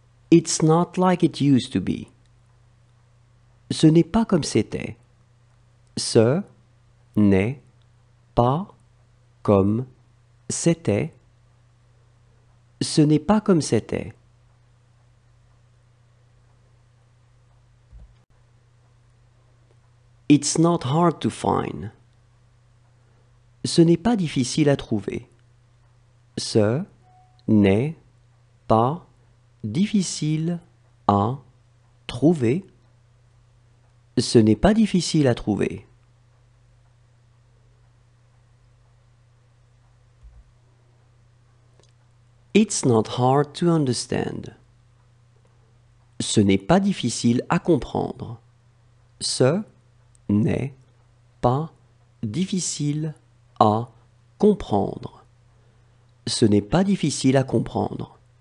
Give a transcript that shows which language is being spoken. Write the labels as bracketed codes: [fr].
[en] It's not like it used to be. [fr] Ce n'est pas comme c'était. Ce n'est pas comme c'était. Ce n'est pas comme c'était. [en] It's not hard to find. [fr] Ce n'est pas difficile à trouver. Ce n'est pas difficile à trouver. Ce n'est pas difficile à trouver. [en] It's not hard to understand. [fr] Ce n'est pas difficile à comprendre. Ce n'est pas difficile à comprendre. Ce n'est pas difficile à comprendre.